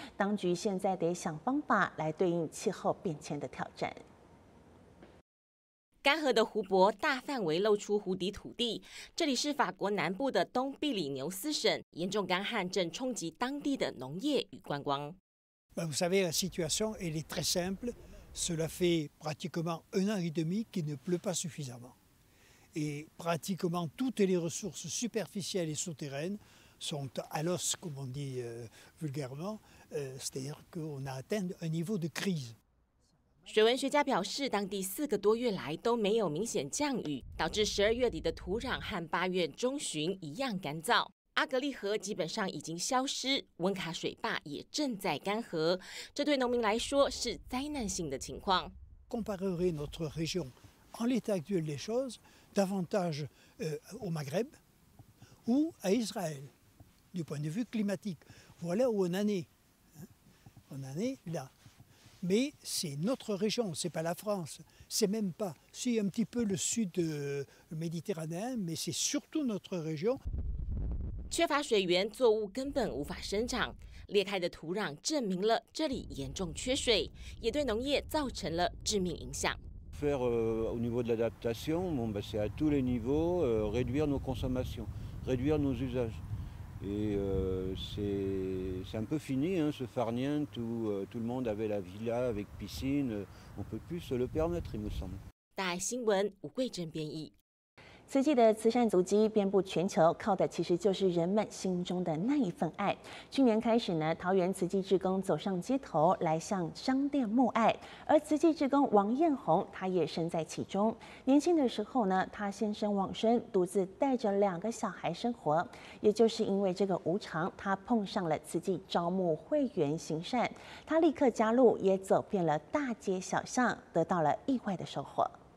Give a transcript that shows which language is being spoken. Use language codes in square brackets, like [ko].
[zh] 当局现在得想方法来对应气候变迁的挑战。干涸的湖泊大范围露出湖底土地，这里是法国南部的东庇里牛斯省，严重干旱正冲击当地的农业与观光。 [fr] Vous savez, la situation elle est très simple. Cela fait pratiquement 1 an et demi qu'il ne pleut pas suffisamment. Et pratiquement toutes les ressources superficielles et souterraines sont à l'os, comme on dit vulgairement, c'est-à-dire qu'on a atteint un niveau de crise. [zh] 水文学家表示，当地4个多月来都没有明显降雨，导致12月底的土壤和8月中旬一样干燥。阿格利河基本上已经消失，温卡水坝也正在干涸，这对农民来说是灾难性的情况。 [fr] Comparerai notre région en l'état actuel des choses davantage au Maghreb ou à Israël du point de vue climatique. Voilà où on en est là. Mais c'est notre région, c'est pas la France, c'est même pas si un petit peu le sud méditerranéen, mais c'est surtout notre région. [zh] 缺乏水源，作物根本无法生长。裂开的土壤证明了这里严重缺水，也对农业造成了致命影响。 [fr] Faire au niveau de l'adaptation, bon ben c'est à tous les niveaux réduire nos consommations, réduire nos usages. Et c'est un peu fini, hein, ce farniente où tout le monde avait la villa avec piscine. On peut plus se le permettre, il me semble. [zh] 大爱新闻，吴桂珍编译。慈济的慈善足迹遍布全球，靠的其实就是人们心中的那一份爱。去年开始呢，桃园慈济志工走上街头来向商店募爱，而慈济志工王彦宏他也身在其中。年轻的时候呢，他先生往生，独自带着2个小孩生活，也就是因为这个无常，他碰上了慈济招募会员行善，他立刻加入，也走遍了大街小巷，得到了意外的收获。